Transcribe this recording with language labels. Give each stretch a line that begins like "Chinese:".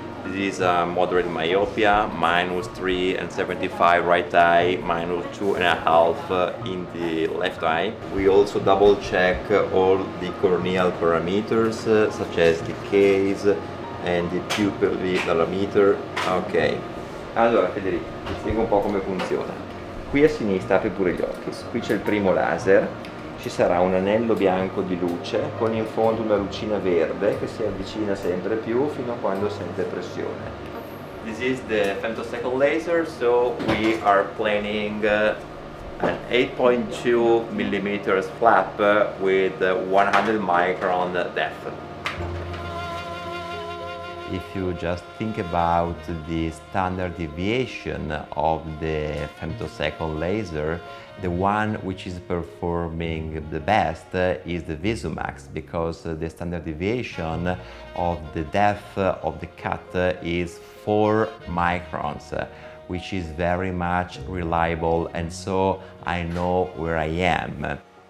English: This is a moderate myopia, -3.75 right eye, -2.5 in the left eye. We also double check all the corneal parameters such as the case and the pupil diameter.
Italian: Ok, allora Federico, ti spiego un po' come funziona. Qui a sinistra apri pure gli occhi, qui c'è il primo laser, ci sarà un anello bianco di luce con in fondo una lucina verde che si avvicina sempre più fino a quando sente pressione.
English: This is the femtosecond laser, so we are planning an 8.2 millimeters flap with 100 micron depth. If you just think about the standard deviation of the femtosecond laser, the one which is performing the best is the Visumax, because the standard deviation of the depth of the cut is 4 microns, which is very much reliable, and so I know where I am.